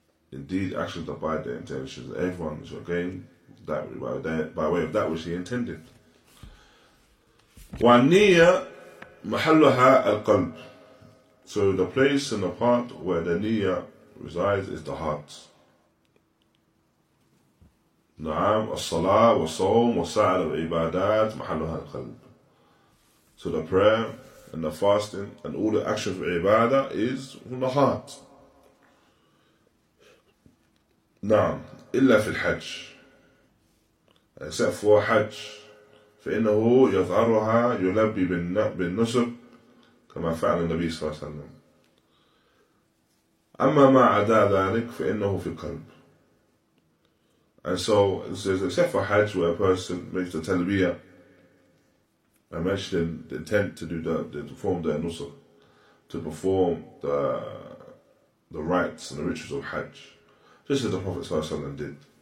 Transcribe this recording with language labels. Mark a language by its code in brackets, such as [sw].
[en] Indeed, actions abide their intentions. Everyone shall gain that by way of that which he intended. [ar] وَالنِّيَّةَ مَحَلُّهَا الْقَلْبِ. [en] So the place and the part where the niyyah resides is the heart. [ar] نعم الصلاة والصوم والسعر والعبادات محلها القلب. [en] So the prayer and the fasting and all the actions of ibadah is from the heart. [ar] نعم إلا في الحج. [en] Except for Hajj, [ar] فإنه يظهرها يلبي بالنسب كما فعل النبي صلى الله عليه وسلم. أما ما عدا ذلك فإنه في القلب. [en] And so it says, except for Hajj, where a person makes the talbiyah, I mentioned the intent to do the to perform the nusr, to perform the rites and the rituals of Hajj, just as the Prophet sallallahu alaihi wasallam did.